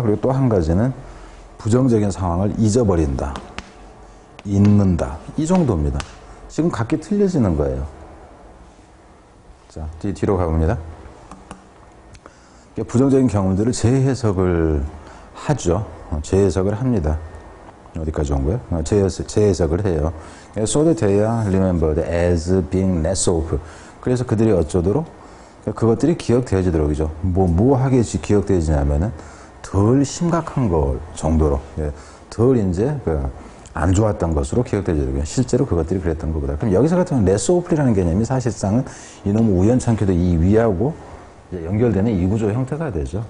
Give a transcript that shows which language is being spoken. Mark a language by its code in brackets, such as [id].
[ko] 그리고 또 한 가지는 부정적인 상황을 잊어버린다. 잊는다. 이 정도입니다. 지금 각기 틀려지는 거예요. 자, 뒤로 가봅니다. 부정적인 경험들을 재해석을 하죠. 재해석을 합니다. 어디까지 온 거예요? 재해석을 해요. [en] So that they are remembered as being less awful. [ko] 그래서 그들이 어쩌도록 그것들이 기억되어지도록이죠. 뭐하게 기억되어지냐면은 덜 심각한 걸 정도로 덜 이제 안 좋았던 것으로 기억되어지도록 실제로 그것들이 그랬던 거보다. 그럼 여기서 같은 less awful이라는 개념이 사실상은 이놈 우연찮게도 이 위하고 연결되는 이 구조 형태가 되죠.